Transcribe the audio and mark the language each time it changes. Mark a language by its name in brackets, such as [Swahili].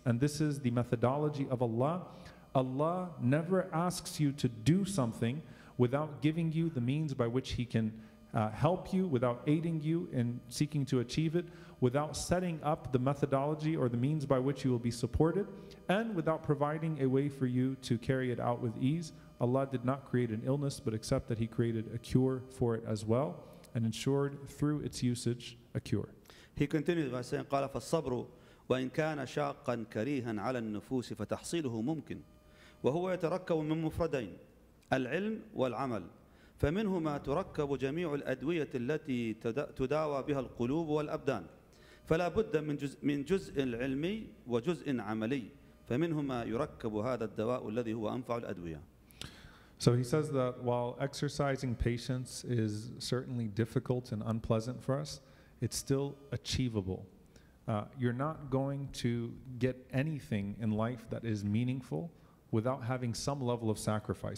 [English] And this is the methodology of Allah. Allah never asks you to do something without giving you the means by which he can help you, without aiding you in seeking to achieve it, without setting up the methodology or the means by which you will be supported, and without providing a way for you to carry it out with ease. Allah did not create an illness, but except that he created a cure for it as well, and ensured through its usage a cure. He continued by saying, [Arabic] قَالَ فَالصَّبْرُ وَإِنْ كَانَ شَاقًا كَرِيهًا عَلَى النُّفُوسِ فَتَحْصِيلُهُ مُمْكِنْ وهو يتركب من مفردين العلم والعمل فمنهما تركب جميع الأدوية التي تداوى بها القلوب والأبدان فلا بد من جزء علمي وجزء عملي فمنهما يركب هذا الدواء الذي هو أنفع الأدوية. [English] So he says that while exercising patience is certainly difficult and unpleasant for us, it's still achievable. You're not going to get anything in life that is meaningful without having some level of sacrifice.